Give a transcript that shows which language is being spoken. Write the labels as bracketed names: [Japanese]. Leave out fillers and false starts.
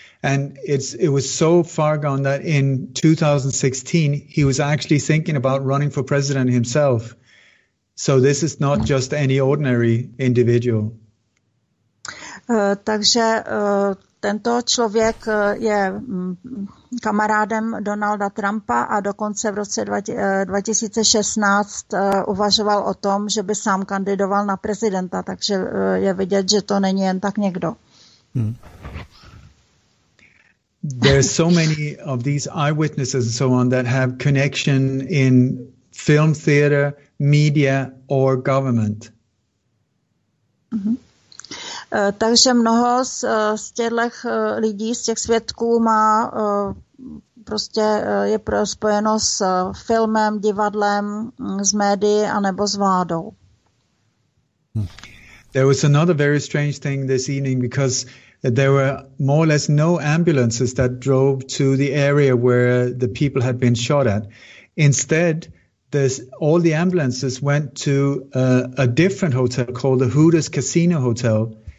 [English] And it was so far gone that in 2016, he was actually thinking about running for president himself. So this is not just any ordinary individual. [Czech] Takže tento člověk je kamarádem Donalda Trumpa a dokonce v roce 2016 uvažoval o tom, že by sám kandidoval na prezidenta, takže je vidět, že to není jen tak někdo. [English] There's so many of these eyewitnesses and so on that have connection in film, theater, media or government. [Czech] Takže mnoho z těchto lidí, z těch svědků má prostě je spojeno s filmem, divadlem, s médií a nebo s vládou. [English] There was another very strange thing this evening because there were more or less no ambulances that drove to the area where the people had been shot at. Instead, all the ambulances went to a different hotel called the Hooters Casino Hotel.